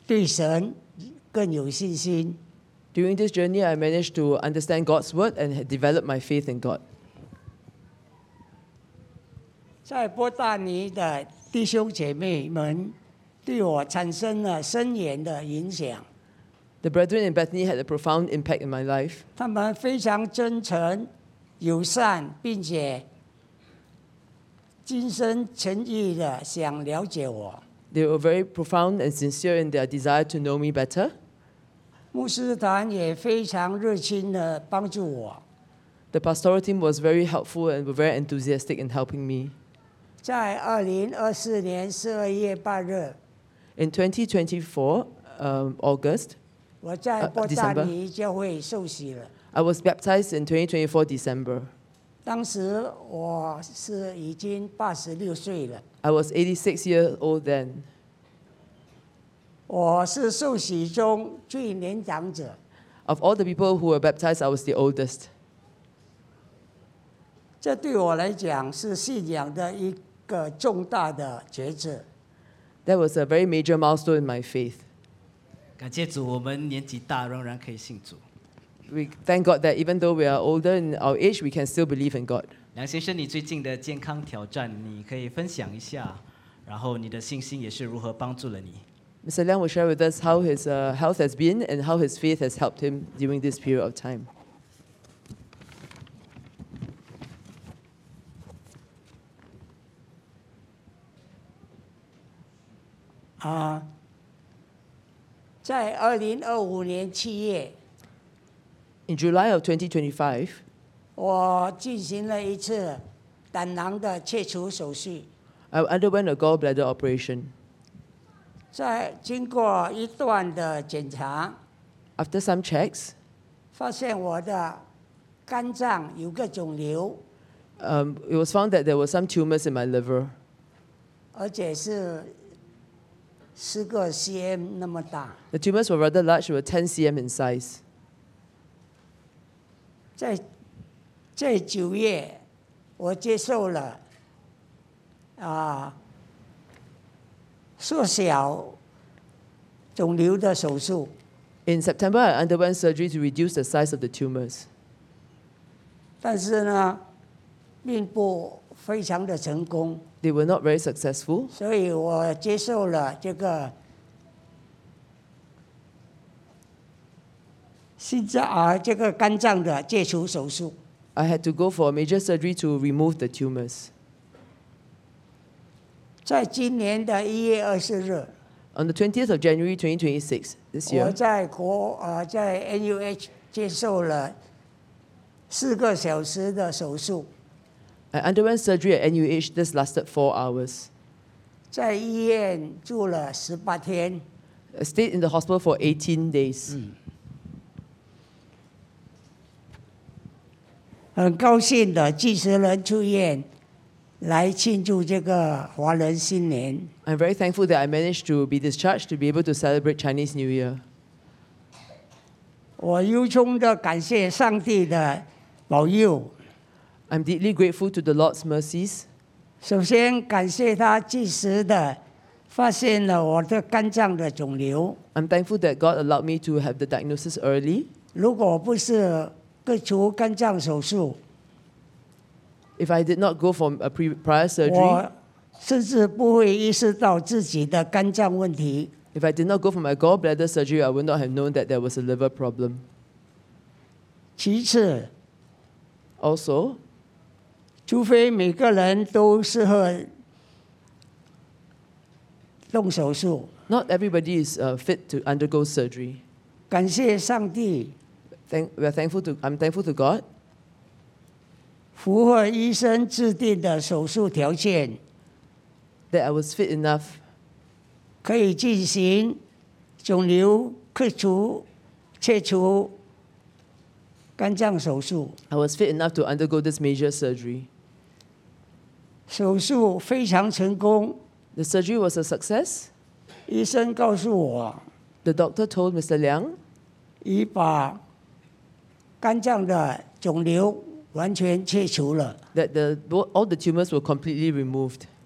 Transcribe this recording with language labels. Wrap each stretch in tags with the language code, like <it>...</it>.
<zh>在这旅程中，我更了解了神的话语，以及对神更有信心。</zh> <en>During this journey, I managed to understand God's word and had developed my faith in God.</en> <zh>在波大尼的弟兄姐妹们对我产生了深远的影响。</zh> <en>The brethren in Bethany had a profound impact in my life.</en> <zh>他们非常真诚、友善，并且尽心诚意的想了解我。</zh> <en>They were very profound and sincere in their desire to know me better.</en> <zh>牧师团也非常热心地帮助我。</zh> <en>The pastoral team was very helpful and were very enthusiastic in helping me.</en> <zh>在2024年12月8日</zh> <en>In 2024 August</en> <zh>我在波大尼教会受洗了</zh> <en>I was baptized in 2024 December</en> <zh>当时我是已经86岁了</zh> <en>I was 86 years old then</en> <zh>我是受洗中最年长者</zh> <en>Of all the people who were baptized, I was the oldest</en> <zh>这对我来讲是信仰的一个重大的抉择。</zh> <en>That was a very major milestone in my faith.</en> <zh>感谢主，我们年纪大仍然可以信主。</zh> <en>We thank God that even though we are older in our age, we can still believe in God.</en> <zh>梁先生，你最近的健康挑战，你可以分享一下，然后你的信心也是如何帮助了你。</zh> <en>Mr. Liang will share with us how his health has been and how his faith has helped him during this period of time.</en> <zh>在2025年7月</zh> <en>In July of 2025</en> <zh>我进行了一次胆囊的切除手术</zh> <en>I underwent a gallbladder operation</en> <zh>在经过一段的检查</zh> <en>After some checks</en> <zh>发现我的肝脏有个肿瘤</zh> <en>It was found that there were some tumors in my liver</en> <zh>而且是十个 cm 那么大。</zh> <en>The tumors were rather large, they were 10 cm in size.</en> <zh>在九月，我接受了缩小肿瘤的手术。</zh> <en>In September, I underwent surgery to reduce the size of the tumors.</en> <zh>但是呢，并不非常的成功。</zh> <en>They were not very successful.</en> <zh>所以我接受了这个心脏啊，这个肝脏的切除手术。</zh> <en>I had to go for a major surgery to remove the tumors.</en> <zh>在今年的一月二十日</zh> <en>，On the 20th of January 2026, this year,</en> <zh>我在国啊，在 NUH 接受了四个小时的手术。</zh> <en>I underwent surgery at NUH. This lasted 4 hours.</en> <zh>在医院住了十八天。</zh> <en>I stayed in the hospital for 18 days.</en> <zh>很高兴的，几十人出院来庆祝这个华人新年。</zh> <en>I'm very thankful that I managed to be discharged to be able to celebrate Chinese New Year.</en> <zh>我由衷的感谢上帝的保佑。</zh> <en>I'm deeply grateful to the Lord's mercies.</en> <zh>首先感谢他及时的发现了我的肝脏的肿瘤。</zh> <en>I'm thankful that God allowed me to have the diagnosis early.</en> <zh>如果不是割除肝脏手术</zh> <en>，If I did not go for a prior surgery,</en> <zh>我甚至不会意识到自己的肝脏问题。</zh> <en>If I did not go for my gallbladder surgery, I would not have known that there was a liver problem.</en> <zh>其次</zh> <en>，Also。</en> <zh>除非每个人都适合动手术。</zh> <en>Not everybody is fit to undergo surgery.</en> <zh>感谢上帝。</zh> <en>I'm thankful to God.</en> <zh>符合医生制定的手术条件。</zh> <en>That I was fit enough.</en> <zh>可以进行肿瘤切除、肝脏手术。</zh> <en>I was fit enough to undergo this major surgery.</en> <zh>手术非常成功。</zh> <en>The surgery was a success.</en> <zh>医生告诉我</zh> <en>，The doctor told Mr. Liang,</en> <zh>已把肝脏的肿瘤完全切除了。</zh> <en>That the all the tumors were completely removed.</en>